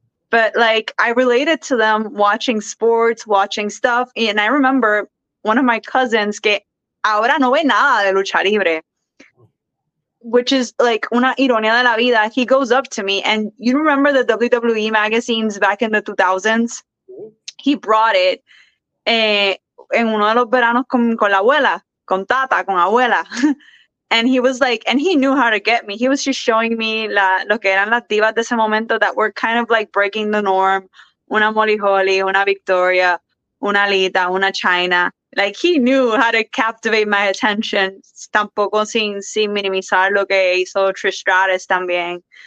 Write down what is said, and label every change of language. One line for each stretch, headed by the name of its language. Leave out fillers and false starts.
English: But like, I related to them watching sports, watching stuff, and I remember one of my cousins
Spanish: Ahora no ve nada de lucha libre,
English: which is like
Spanish: una ironía de la vida.
English: He goes up to me, and you remember the WWE magazines back in the 2000s? He brought it
Spanish: en uno de los veranos con la abuela, con tata, con abuela.
English: And he was like, and he knew how to get me. He was just showing me
Spanish: lo que eran las divas de ese momento
English: that were kind of like breaking the norm.
Spanish: Una Molly Holly, una Victoria, una Lita, una China.
English: Like, he knew how to captivate my attention,
Spanish: tampoco sin minimizar lo que hizo Trish Stratus también.